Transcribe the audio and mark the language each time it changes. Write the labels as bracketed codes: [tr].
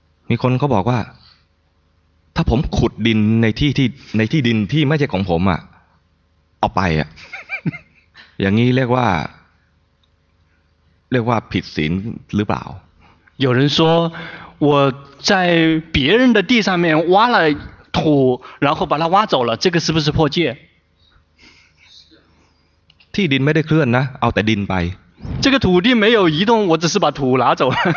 [th] มีคนเขาบอกว่าถ้าผมขุดดินในที่ดินที่ไม่ใช่ของผมอ่ะเอาไปอ่ะอย่างนี้เรียกว่าผิดศีลหรือเปล่า [zh] 有人说我在别人的地上面挖了土然后把它挖走了这个是不是破戒 [th] ที่ดินไม่ได้เคลื่อนนะเอาแต่ดินไป [zh] 这个土地没有移动我只是把土拿走了